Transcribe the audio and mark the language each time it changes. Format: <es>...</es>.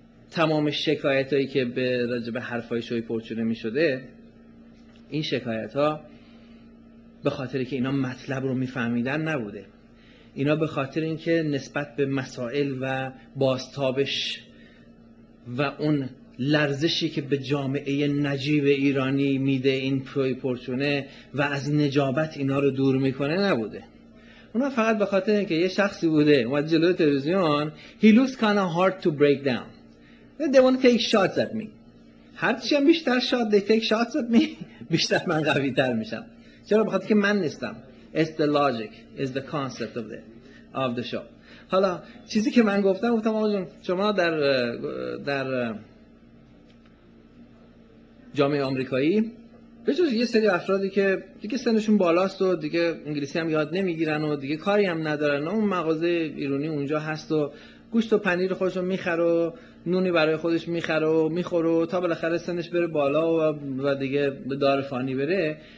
<fa>تمام شکایت هایی که به راجب حرف های شوی پرچونه می شده، این شکایت ها به خاطر که اینا مطلب رو می فهمیدن نبوده، اینا به خاطر اینکه نسبت به مسائل و بازتابش و اون لرزشی که به جامعه نجیب ایرانی میده این پرچونه و از نجابت اینا رو دور می کنه نبوده. اونا فقط به خاطر اینکه یه شخصی بوده و جلوی تلویزیون</fa> <en>he looks kind of hard to break down، they want to take shots at me.</en> <fa>هرچی هم بیشتر شات</fa> <en>they take shots at me،</en> <fa>بیشتر من قوی تر میشم. چرا؟ بخاطر که من نیستم.</fa> <en>It's the logic. It's the concept of the show.</en> <fa>حالا چیزی که من گفتم، گفتم آقا جون شما در جامعه آمریکایی به جز یه سری افرادی که دیگه سنشون بالاست و دیگه انگلیسی هم یاد نمیگیرن و دیگه کاری هم ندارن، اون مغازه ایرانی اونجا هست و گوشت و پنیر خودش رو میخره و نونی برای خودش میخره و میخوره و تا بالاخره سنش بره بالا و دیگه به دار فانی بره،</fa>